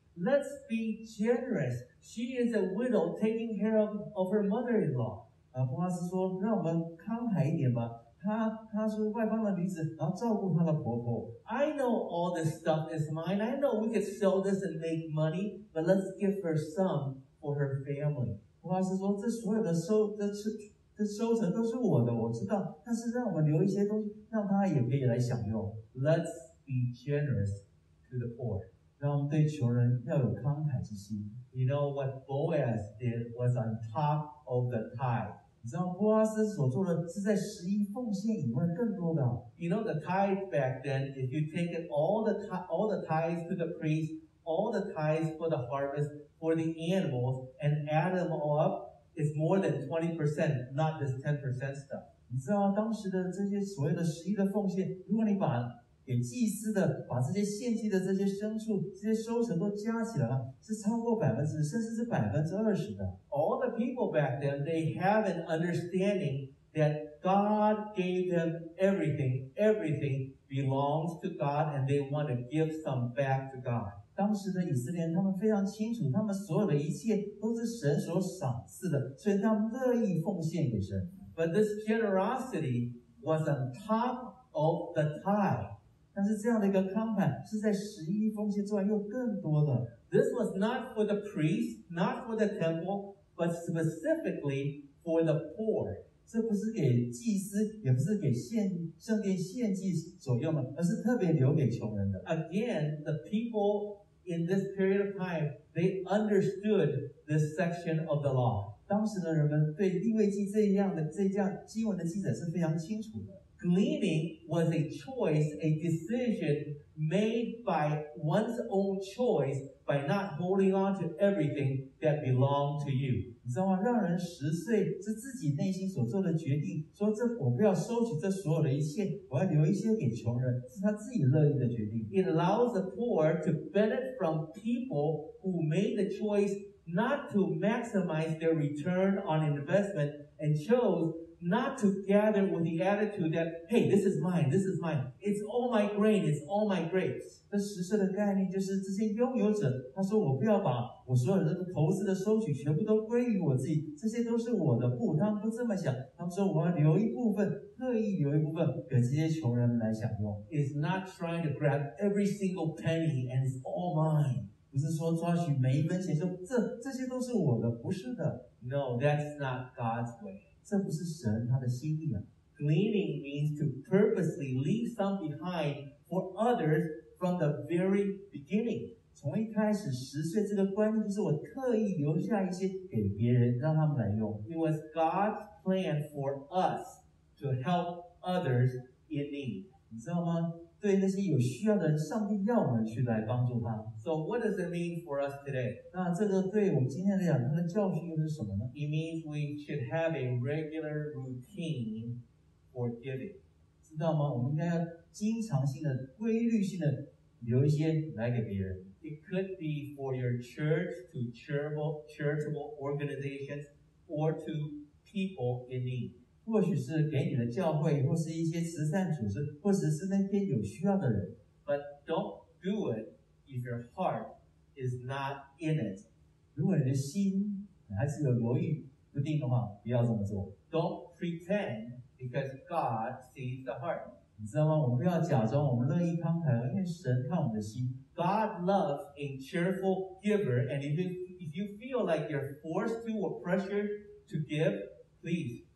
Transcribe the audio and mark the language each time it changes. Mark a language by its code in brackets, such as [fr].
[en] Let's be generous. She is a widow taking care of her mother-in-law. [zh] 波阿斯说，让我们慷慨一点吧。她是外邦的女子，然后照顾她的婆婆。 [en] I know all this stuff is mine. I know we could sell this and make money, but let's give her some for her family. [zh] 波阿斯说，这所有的收成都是我的，我知道。但是让我们留一些东西，让她也可以来享用。 [en] Let's be generous to the poor. [zh] 让对穷人要有慷慨之心。 [en] You know what Boaz did was on top of the tithe. [zh] 你知道波阿斯所做的是在十一奉献以外更多的。 [en] You know the tithe back then, if you take it all the tithes to the priest, all the tithes for the harvest, for the animals, and add them all up, it's more than 20%, not this 10% stuff. [zh] 你知道吗？当时的这些所谓的十一的奉献，如果你把给祭司的、把这些献祭的这些牲畜、这些收成都加起来了，是超过百分之，甚至是20%的。 [en] All the people back then, they have an understanding that God gave them everything. Everything belongs to God, and they want to give some back to God. [zh] 当时的以色列人，他们非常清楚，他们所有的一切都是神所赏赐的，所以他们乐意奉献给神。 [en] But this generosity was on top of the tithe. [zh] 但是这样的一个慷慨是在十一奉献之外又更多的。 [en] This was not for the priest, not for the temple, but specifically for the poor. [zh] 这不是给祭司，也不是给献圣殿献祭所用的，而是特别留给穷人的。 [en] Again, the people in this period of time, they understood this section of the law. [zh] 当时的人们对利未记这样的这样经文的记载是非常清楚的。 [en] Gleaning was a choice, a decision made by one's own choice by not holding on to everything that belonged to you. [zh] 你知道吗？让人十岁是自己内心所做的决定，说这我不要收取这所有的一切，我要留一些给穷人，是他自己乐意的决定。 [en] It allows the poor to benefit from people who made the choice. Not to maximize their return on investment and chose not to gather with the attitude that, hey, this is mine. It's all my grain, it's all my grapes. [zh] 这十岁的概念就是这些拥有者，他说我不要把我所有的投资的收取全部都归于我自己，这些都是我的，不，他们不这么想，他们说我要留一部分，特意留一部分给这些穷人来享用。 [en] It's not trying to grab every single penny and it's all mine. [zh] 不是说抓取每一分钱说这些都是我的，不是的。 [en] No, that's not God's way. [zh] 这不是神他的心意啊。 [en] Gleaning means to purposely leave some behind for others from the very beginning. [zh] 从一开始十岁这个观念就是我特意留下一些给别人，让他们来用。 [en] It was God's plan for us to help others in need. [zh] 你知道吗？对那些有需要的人，上帝要我们去来帮助他。 [en] So what does it mean for us today? [zh] 那这个对我们今天来讲，它的教训又是什么呢？ [en] It means we should have a regular routine for giving. [zh] 知道吗？我们应该要经常性的、规律性的留一些来给别人。 [en] It could be for your church to charitable organizations or to people in need. [zh] 或许是给你的教会，或是一些慈善组织，或者是那些有需要的人。 [en] But don't do it if your heart is not in it. [zh] 如果你的心还是有犹豫不定的话，不要这么做。 [en] Don't pretend because God sees the heart. [zh] 你知道吗？我们不要假装我们乐意慷慨，因为神看我们的心。 [en] God loves a cheerful giver, and if you feel like you're forced to or pressured to give, please.